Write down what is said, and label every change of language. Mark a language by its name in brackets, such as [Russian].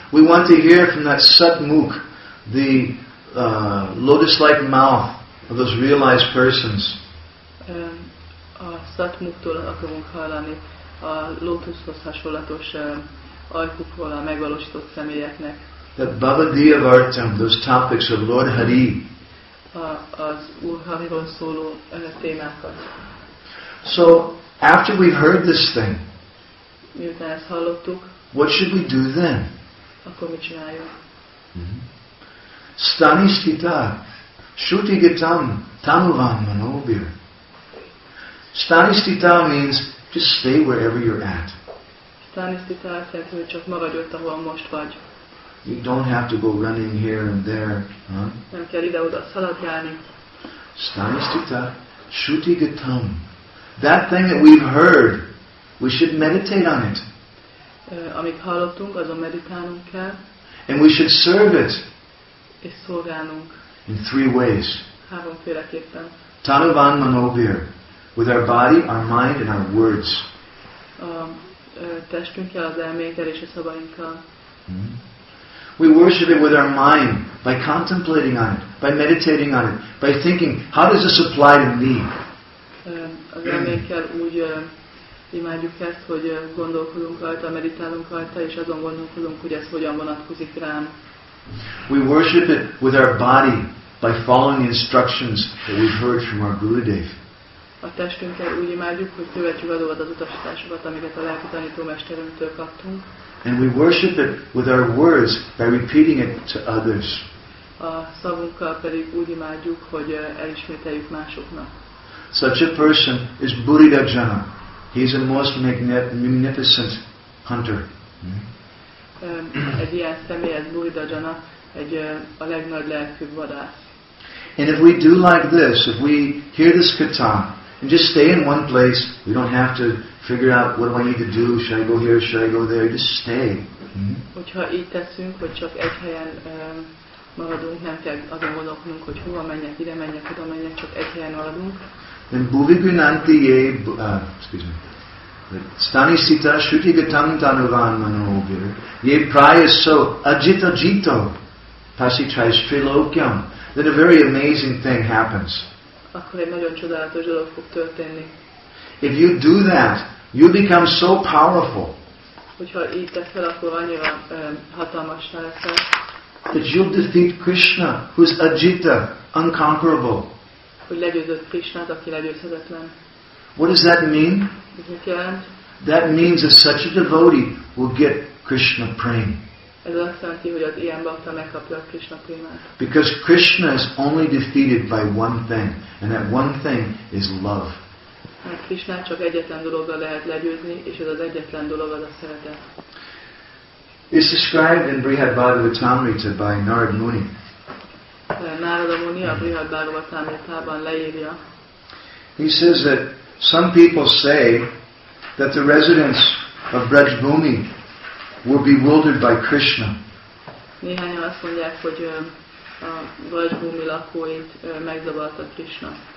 [English] We want to hear from that satmukh, the lotus-like mouth of those realized persons. [Hungarian] A satmukhtól akarunk hallani, a lotushoz hasonlatos ajkukról a megvalósított személyeknek. [English] That bhavadiyavartam, those topics of Lord Hari. [Hungarian] Az Úr Hariról szóló témákat. [English] So, after we've heard this thing, [Hungarian] miután ezt hallottuk, [English] what should we do then? [Hungarian] Akkor mit csináljuk? [Sanskrit] Stanisthita shrutigitam tamuvan manobhir. [English] Stanisthita means just stay wherever you're at. [Hungarian] Stanisthita azt jelenti, hogy csak maradj ott, ahol most vagy. [English] You don't have to go running here and there. [Hungarian] Nem kell ide-oda szaladgálni. [Sanskrit] Stanisthita shrutigitam. [English] That thing that we've heard, we should meditate on it. [Hungarian] Amit hallottunk, azon meditálnunk kell. [English] And we should serve it. [Hungarian] És szolgálnunk. [English] In three ways. [Hungarian] Háromféleképpen. [Sanskrit] Tanuvan manobhir. [English] With our body, our mind and our words. [Hungarian] A testünkkel, az elménkkel és a szavainkkal. [English] We worship it with our mind by contemplating on it, by meditating on it, by thinking, how does this apply to me? [Hungarian] Az elménkkel úgy imádjuk ezt, hogy gondolkodunk rajta, meditálunk rajta, és azon gondolkodunk, hogy ez hogyan vonatkozik rám. [English] We worship it with our body by following the instructions that we've heard from our Gurudev. [Hungarian] A testünkkel úgy imádjuk, hogy követjük azokat az utasításokat, amiket a lelki tanító mesterünktől kaptunk. [English] And we worship it with our words by repeating it to others. [Hungarian] A szavunkkal pedig úgy imádjuk, hogy elismételjük másoknak. [English] Such a person is Buridajana. He is a most magnificent hunter. [Hungarian] Egy ilyen személy, ez Buridajana, egy a legnagyobb lelkű vadász. [English] And if we do like this, if we hear this kata, and just stay in one place, we don't have to figure out what do I need to do, should I go here, should I go there, just stay. [Hungarian] Hogyha így teszünk, hogy csak egy helyen maradunk, nem kell azon gondolkodnunk, hogy hova menjek, ide menjek, oda menjek, csak egy helyen maradunk. [Sanskrit] Then buvigunantiye, [English] excuse me, [Sanskrit] Stanisthita shrutigatam tanuvan manobhir. Ye prayaso ajita jito. Pasi tries trilokyam. [English] Then a very amazing thing happens. [Hungarian] Akkor egy nagyon csodálatos dolog fog történni. [English] If you do that, you become so powerful. [Hungarian] Hogyha így teszel, akkor annyira hatalmassá leszel. [English] That you'll defeat Krishna, who's ajita, unconquerable. [Hungarian] Hogy legyőzött Krishnát, aki legyőzhetetlen. [English] What does that mean? [Hungarian] Ez mit jelent? [English] That means that such a devotee will get Krishna prem. [Hungarian] Ez azt jelenti, hogy az ilyen bhakta megkapja a Krishna prémát. [English] Because Krishna is only defeated by one thing, and that one thing is love. [Hungarian] Mert Krishna csak egyetlen dologgal lehet legyőzni, és ez az egyetlen dolog az a szeretet. [English] It's described in Brihad Bhagavatamrita by Narad Muni. [Hungarian] Narada Muni a Brihad Bhagavatamritában leírja. [English] He says that some people say that the residents of Brajbhumi were bewildered by Krishna. [Hungarian] Néhányan azt mondják, hogy a Brajbhumi lakóit megzavarta Krishna.